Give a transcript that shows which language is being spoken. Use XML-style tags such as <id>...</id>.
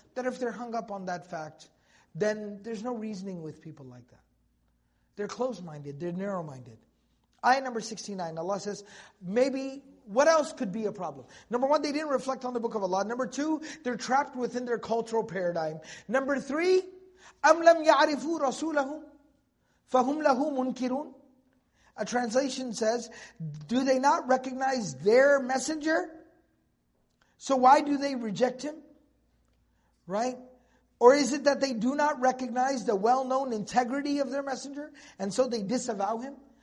<en>That if they're hung up on that fact, then there's no reasoning with people like that. They're closed-minded, they're narrow-minded. Ayah number 69, Allah says, maybe what else could be a problem? Number one, they didn't reflect on the Book of Allah. Number two, they're trapped within their cultural paradigm. Number three,</en> <ar>أَمْ لَمْ يَعْرِفُوا رَسُولَهُمْ فَهُمْ لَهُ مُنْكِرُونَ.</ar> <en>A translation says, do they not recognize their messenger? So why do they reject him? Right? Or is it that they do not recognize the well-known integrity of their messenger, and so they disavow him?</en>